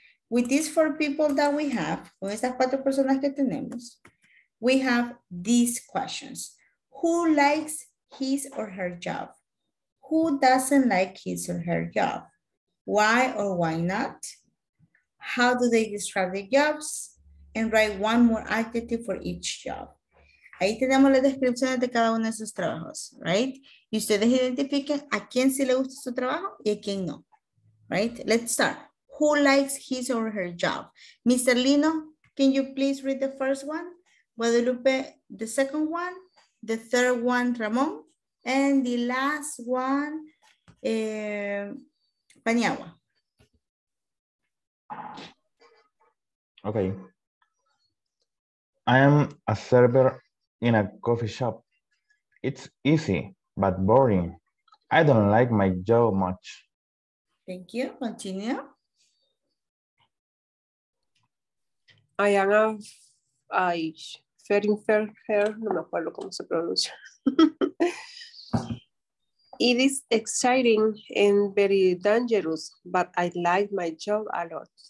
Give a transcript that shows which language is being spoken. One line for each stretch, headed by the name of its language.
English: With these four people that we have,
Spanish: con estas cuatro personas que tenemos,
English: we have these questions. Who likes his or her job? Who doesn't like his or her job? Why or why not? How do they describe their jobs? And write one more adjective for each job.
Spanish: Ahí tenemos las descripciones de cada uno de sus trabajos, right? Y ustedes identifiquen a quién sí le gusta su trabajo y a quién no, right?
English: Let's start. Who likes his or her job? Mr. Lino, can you please read the first one? Guadalupe, the second one. The third one, Ramón. And the last one, Paniagua. Okay. I am a server in a coffee shop. It's easy, but boring. I don't like my job much. Thank you. Continue. I am a
Spanish: no me acuerdo cómo se pronuncia.
English: It is exciting and very dangerous, but I like my job a lot.